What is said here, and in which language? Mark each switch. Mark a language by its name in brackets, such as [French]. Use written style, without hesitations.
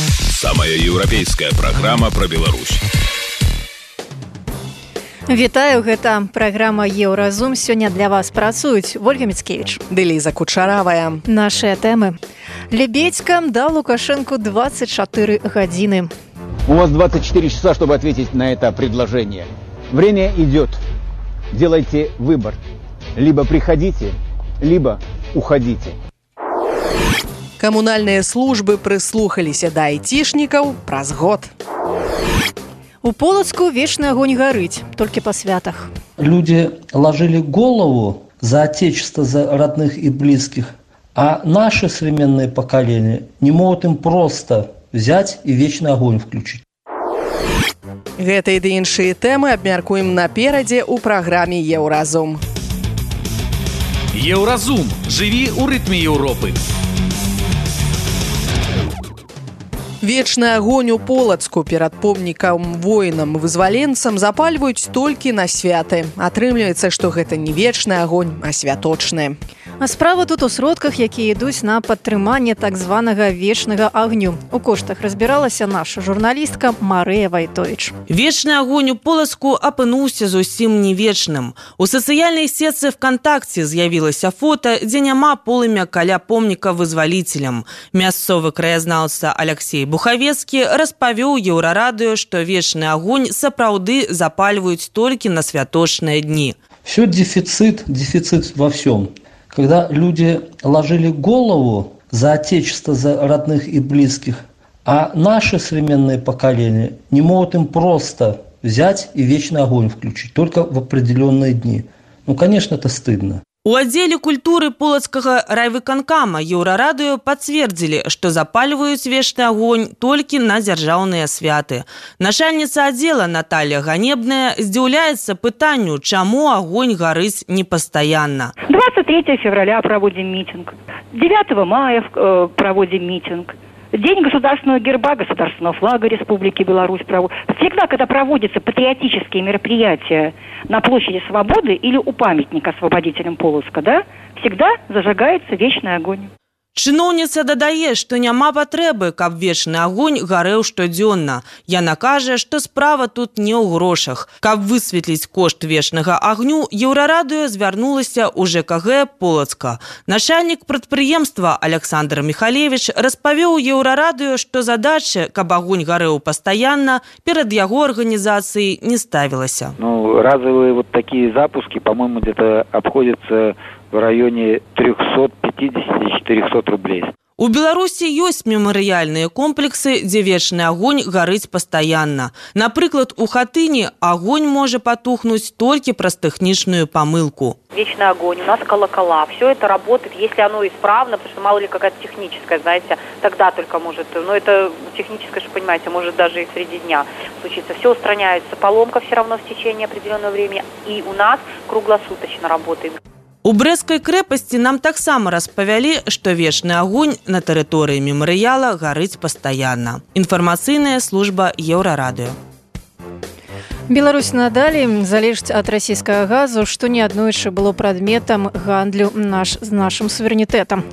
[Belarusian] Самая еўрапейская праграма пра Беларусь. Вітаю, гэта праграма Еўразум. Сёння для вас працуюць Вольга Міцкевіч, Деліза Кучаравая. Нашыя тэмы. Лебедзькам даў Лукашэнку 24 гадзіны. [Russian] У вас 24 часа, чтобы ответить на это предложение. Время идет. Делайте выбор. Либо приходите, либо уходите. Комунальные службы прислухались до айтишников праз год. У Полоцку вечный огонь горыть, только по святах. Люди ложили голову за отечество, за родных и близких. А наши современные поколения не могут им просто взять и вечный огонь включить. [Belarusian] Гэта і іншыя тэмы абмяркуем наперадзе ў праграме Еўразум. Еўразум. Жыві ў рытме Еўропы. Вечны агонь у Полацку перад помнікам воінам-вызваленцам запальваюць толькі на святы. Атрымліваецца, што гэта не вечны агонь, а святочны. А справа тут у сродках, якія ідуць на падтрыманне так званага вечнага агню. У коштах разбіралася наша журналістка Марыя Вайтовіч. Вечны агонь у Полацку апынуўся зусім не вечным. У сацыяльнай сетцы ВКонтакце з'явілася фота, дзе няма полымя каля помніка вызваліцелям. Мясцовы краязнаўца Алексей Бухавецкі распавёў Еўрарадыё, што вечны агонь сапраўды запальваюць толькі на святочныя дні. [Russian] Всё дефіцыт, дефіцыт во всём. Когда люди ложили голову за отечество, за родных и близких, а наши современные поколения не могут им просто взять и вечный огонь включить, только в определенные дни. Ну, конечно, это стыдно. [Belarusian] У аддзеле культуры Полацкага райвыканкама Еўрарадыё пацвердзілі, што запальваюць вечны агонь толькі на дзяржаўныя святы. Начальніца аддзела Наталя Ганебная здзіўляецца пытанню, чаму агонь гарыць непастаянна. [Russian] 23 февраля праводзім мітінг, 9 мая праводзім мітінг. День государственного герба, государственного флага Республики Беларусь проводят. Всегда, когда проводятся патриотические мероприятия на площади Свободы или у памятника освободителям Полоцка, да, всегда зажигается вечный огонь. [Belarusian] Чыноўніца дадае, што няма патрэбы, каб вечны агонь гарэў штодзённа. Яна кажа, што справа тут не ў грошах. Каб высветліць кошт вечнага агню, Еўрарадыё звярнулася ў ЖКГ Полацка. Начальнік прадпрыемства Александр Міхалевіч распавёў Еўрарадыё, што задача, каб агонь гарэў пастаянна, перад яго арганізацыяй не ставілася. [Russian] Ну, разавыя вот такія запускі, па-моему, дзе-то абходзяцца в районе 350-400 рублей. [Belarusian] У Беларусі ёсць мемарыяльныя комплексы, дзе вечны агонь гарыць пастаянна. Напрыклад, у Хатыні агонь можа патухнуць толькі праз тэхнічную памылку. [Russian] Вечный огонь, у нас колокола, все это работает, если оно исправно, потому что мало ли какая-то техническая, знаете, тогда только может, но это техническое, что понимаете, может даже и среди дня случиться. Все устраняется, поломка все равно в течение определенного времени, и у нас круглосуточно работает. [Belarusian] У Брэсцкай крэпасці нам таксама распавялі, што вечны агонь на тэрыторыі мемарыяла гарыць пастаянна. Інфармацыйная служба Еўрарадыё. Беларусь надалі залежыць ад расійскага газу, што неаднойчы было прадметам гандлю наш з нашым суверэнітэтам.